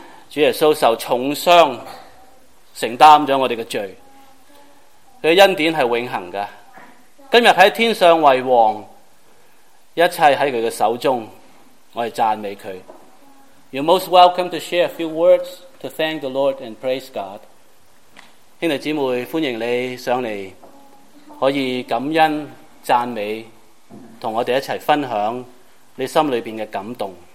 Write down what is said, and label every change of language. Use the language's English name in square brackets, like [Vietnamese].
[Chinese] 主耶稣受重伤，承担了我们的罪，他的恩典是永恒的。今日在天上为王，一切在他的手中，我们赞美他。 [English] You're most welcome to share a few words to thank the Lord and praise God. [Chinese] 兄弟姐妹，欢迎你上来，可以感恩赞美，和我们一起分享你心里面的感动。